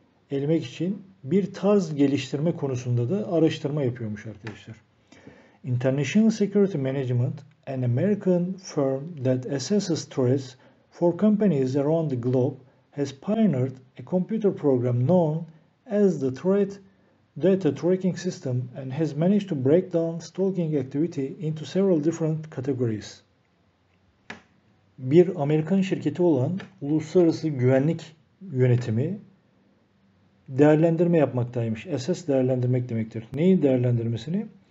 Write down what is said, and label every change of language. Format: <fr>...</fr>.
<tr>Elemek için bir tarz geliştirme konusunda da araştırma yapıyormuş arkadaşlar.</tr> <en>International Security Management, an American firm that assesses threats for companies around the globe, has pioneered a computer program known as the Threat Data Tracking System and has managed to break down stalking activity into several different categories.</en> <tr>Bir Amerikan şirketi olan Uluslararası Güvenlik Yönetimi değerlendirme yapmaktaymış. SS değerlendirmek demektir. Neyi değerlendirmesini?</tr>